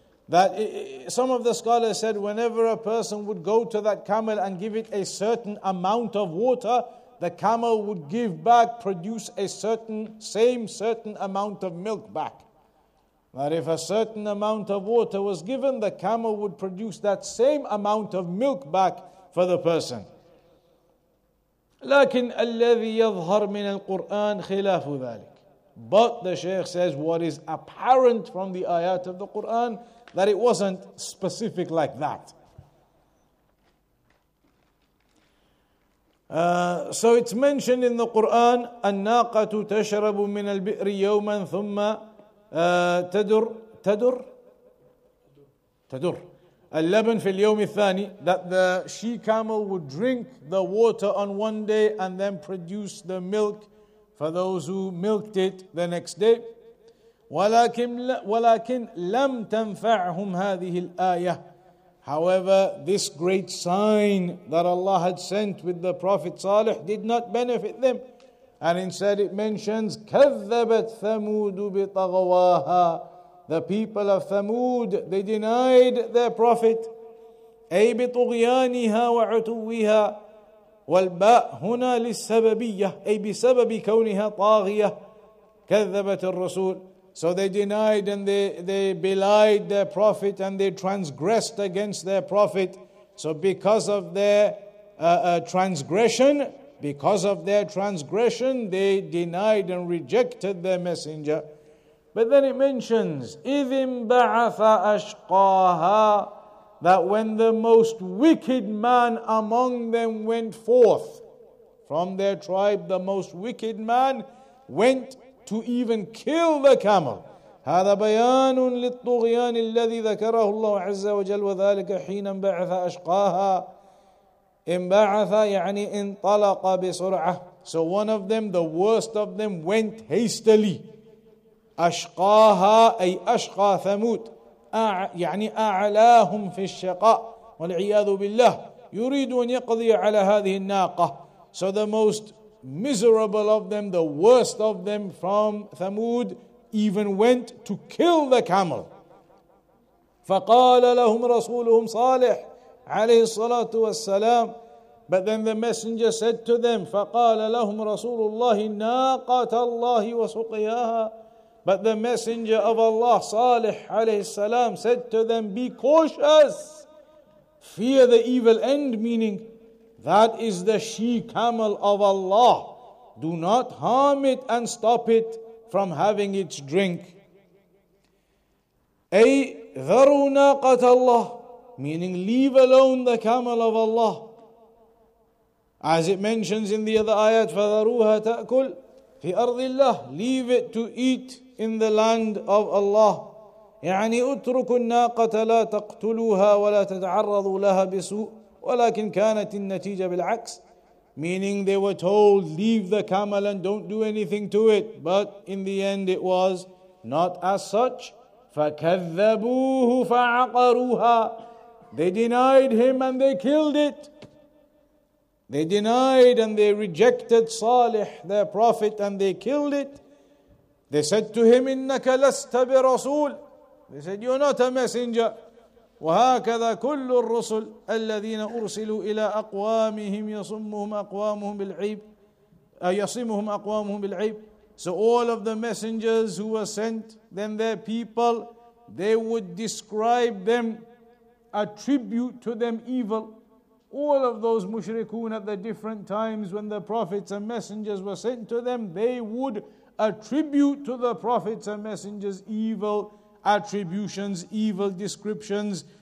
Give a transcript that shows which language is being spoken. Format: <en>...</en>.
<en>That some of the scholars said whenever a person would go to that camel and give it a certain amount of water, the camel would give back, produce a certain amount of milk back. That if a certain amount of water was given, the camel would produce that same amount of milk back for the person.</en> <ar>لكن الذي يظهر من القرآن خلاف ذلك.</ar> <en>But the Shaykh says what is apparent from the ayat of the Quran, that it wasn't specific like that. So it's mentioned in the Quran,</en> <ar>النَّاقَةُ تَشْرَبُ مِنَ الْبِئْرِ يَوْمًا ثُمَّ تَدُرْ اللَّبَنْ فِي الْيَوْمِ الثَّانِي,</ar> <en>that the she camel would drink the water on one day and then produce the milk for those who milked it the next day.</en> <ar>ولكن لم تنفعهم هذه الآية.</ar> <en>However, this great sign that Allah had sent with the Prophet Salih did not benefit them. And instead it mentions,</en> <ar>كذبت ثمود بطغواها.</ar> <en>The people of Thamud, they denied their Prophet.</en> <ar>أي بطغيانها وعتوها. والباء هنا للسببية. أي بسبب كونها طاغية. كذبت الرسول.</ar> <en>So they denied and they belied their prophet and they transgressed against their prophet. So because of their transgression, they denied and rejected their messenger. But then it mentions,</en> <ar>إِذِمْ بَعَثَ أَشْقَاهَا,</ar> <en>that when the most wicked man among them went forth from their tribe, the most wicked man went to even kill the camel.</en> <ar>هذا بيان للطغيان الذي ذكره الله عز وجل وذلك حين انبعث أشقاها. انبعث يعني انطلق بسرعة.</ar> <en>So one of them, the worst of them, went hastily.</en> <ar>أشقاها أي أشقى ثمود. يعني أعلاهم في الشقاء. والعياذ بالله. يريد أن يقضي على هذه الناقة.</ar> <en>So the most miserable of them, the worst of them from Thamud, even went to kill the camel.</en> <ar>فَقَالَ لَهُمْ رَسُولُهُمْ صَالِحٌ عَلَيْهِ الصَّلَاةُ وَالسَّلَامُ.</ar> <en>But then the messenger said to them,</en> <ar>فَقَالَ لَهُمْ رَسُولُ اللَّهِ نَاقَةَ اللَّهِ وَسُقِيَاهَا.</ar> <en>But the messenger of Allah, صالح عليه السلام, said to them, be cautious, fear the evil end, meaning that is the she-camel of Allah. Do not harm it and stop it from having its drink.</en> <ar>أي ذروا ناقة الله,</ar> <en>meaning leave alone the camel of Allah. As it mentions in the other ayat,</en> <ar>فَذَرُوهَا تَأْكُلْ فِي أَرْضِ اللَّهِ.</ar> <en>Leave it to eat in the land of Allah.</en> <ar>يعني اتركوا الناقة لا تقتلوها ولا تتعرضوا لها بسوء. وَلَكِنْ كَانَتِ النَّتِيجَةِ بِالْعَكْسِ.</ar> <en>Meaning they were told, leave the camel and don't do anything to it. But in the end it was not as such.</en> <ar>فَكَذَّبُوهُ فَعَقَرُوهَا.</ar> <en>They denied him and they killed it. They denied and they rejected Salih, their prophet, and they killed it. They said to him,</en> <ar>إِنَّكَ لَسْتَ بِرَسُولٍ.</ar> <en>They said, you're not a messenger.</en> <ar>وهكذا كل الرسل الذين أرسلوا إلى أقوامهم يصمهم أقوامهم بالعيب يصمهم أقوامهم بالعيب.</ar> <en>So all of the messengers who were sent, then their people, they would describe them, attribute to them evil. All of those mushrikun at the different times when the prophets and messengers were sent to them, they would attribute to the prophets and messengers evil attributions, evil descriptions.</en>